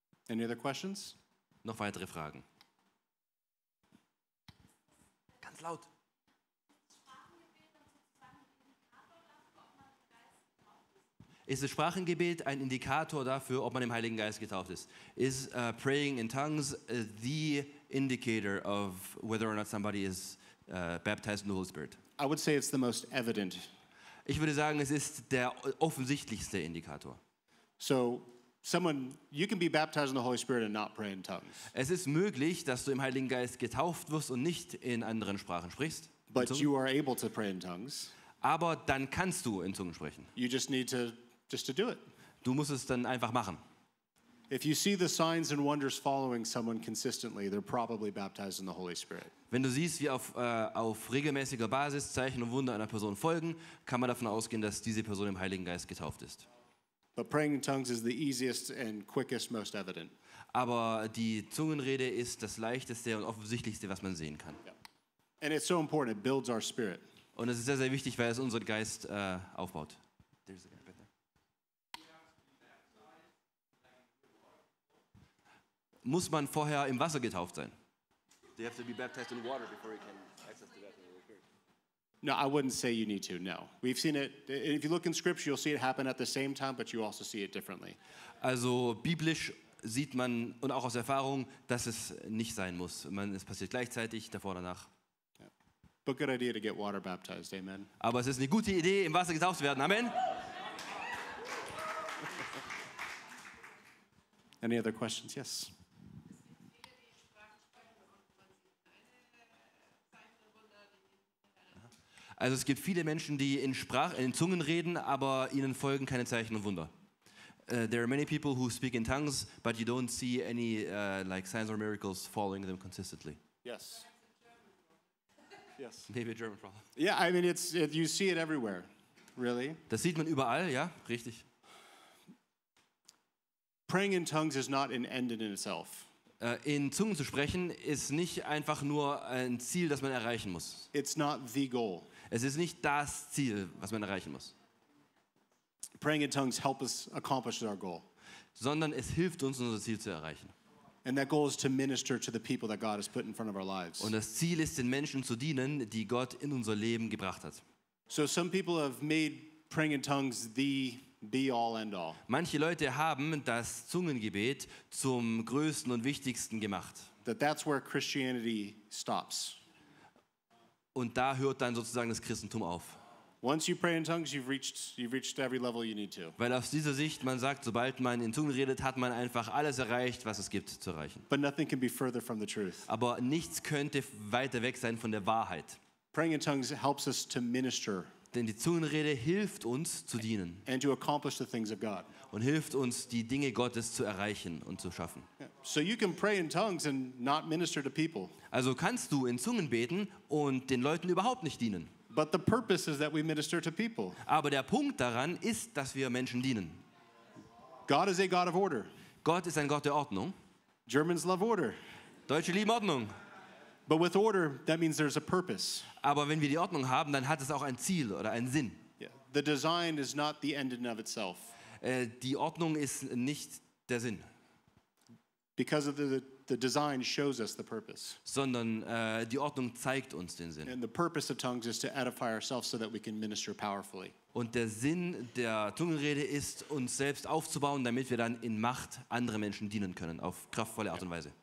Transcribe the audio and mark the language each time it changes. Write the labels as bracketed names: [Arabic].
[English] Any other questions? [German] Noch weitere Fragen? Ganz laut. Ist das Sprachengebet ein Indikator dafür, ob man im Heiligen Geist getauft ist? [English] Is praying in tongues the indicator of whether or not somebody is baptized in the Holy Spirit? I would say it's the most evident. [German] Ich würde sagen, es ist der offensichtlichste Indikator. [English] So, someone, you can be baptized in the Holy Spirit and not pray in tongues. [German] Es ist möglich, dass du im Heiligen Geist getauft wirst und nicht in anderen Sprachen sprichst. [English] But you are able to pray in tongues. [German] Aber dann kannst du in Zungen sprechen. [English] You just need to just to do it. [German] Du musst es dann einfach machen. [English] If you see the signs and wonders following someone consistently, they're probably baptized in the Holy Spirit. [German] Wenn du siehst, wie auf regelmäßiger Basis Zeichen und Wunder einer Person folgen, kann man davon ausgehen, dass diese Person im Heiligen Geist getauft ist. [English] But praying in tongues is the easiest and quickest, most evident. [German] Aber die Zungenrede ist das leichteste und offensichtlichste, was man sehen kann. [English] Yeah. And it's so important, it builds our spirit. [German] Und es ist sehr, sehr wichtig, weil es unseren Geist aufbaut. Muss man vorher im Wasser getauft sein? [English] They have to be baptized in water before you can access the bathroom. No, I wouldn't say you need to, no. We've seen it, if you look in scripture, you'll see it happen at the same time, but you also see it differently. [German] Also biblisch sieht man, und auch aus Erfahrung, dass es nicht sein muss. Es passiert gleichzeitig, davor, danach. [English] Yeah. But good idea to get water baptized, amen. [German] Aber es ist eine gute Idee, im Wasser getauft zu werden, amen. [English] Any other questions? Yes. [German] Also es gibt viele Menschen, die in Zungen reden, aber ihnen folgen keine Zeichen und Wunder. [English] There are many people who speak in tongues, but you don't see any like signs or miracles following them consistently. Yes. Yes. Maybe a German problem. Yeah, I mean you see it everywhere. Really? [German] Das sieht man überall, ja, richtig. [English] Praying in tongues is not an end in itself. [German] In Zungen zu sprechen ist nicht einfach nur ein Ziel, das man erreichen muss. [English] It's not the goal. [German] Es ist nicht das Ziel, was man erreichen muss. [English] Praying in tongues help us accomplish our goal. [German] Sondern es hilft uns, unser Ziel zu erreichen. [English] And that goal is to minister to the people that God has put in front of our lives. [German] Und das Ziel ist, den Menschen zu dienen, die Gott in unser Leben gebracht hat. [English] So some people have made praying in tongues the be-all, end-all. [German] Manche Leute haben das Zungengebet zum größten und wichtigsten gemacht. [English] That's where Christianity stops. [German] Und da hört dann sozusagen das Christentum auf. [English] Once you pray in tongues, you've reached every level you need to. [German] Weil aus dieser Sicht, man sagt, sobald man in Zungen redet, hat man einfach alles erreicht, was es gibt zu erreichen. [English] But nothing can be further from the truth. [German] Aber nichts könnte weiter weg sein von der Wahrheit. [English] Praying in tongues helps us to minister. [German] Denn die Zungenrede hilft uns zu dienen. [English] And to accomplish the things of God. [German] Und hilft uns, die Dinge Gottes zu erreichen und zu schaffen. [English] So you can pray in tongues and not minister to people. [German] Also kannst du in Zungen beten und den Leuten überhaupt nicht dienen. [English] But the purpose is that we minister to people. [German] Aber der Punkt daran ist, dass wir Menschen dienen. [English] God is a God of order. [German] Gott ist ein Gott der Ordnung. [English] Germans love order. [German] Deutsche lieben Ordnung. [English] But with order, that means there's a purpose. [German] Aber wenn wir die Ordnung haben, dann hat es auch ein Ziel oder einen Sinn. [English] Yeah. The design is not the end in of itself. [German] Die Ordnung ist nicht der Sinn. [English] Because of the design shows us the purpose. [German] Sondern die Ordnung zeigt uns den Sinn. [English] And the purpose of tongues is to edify ourselves so that we can minister powerfully. [German] Und der Sinn der Zungenrede ist, uns selbst aufzubauen, damit wir dann in Macht andere Menschen dienen können, auf kraftvolle Art und Weise.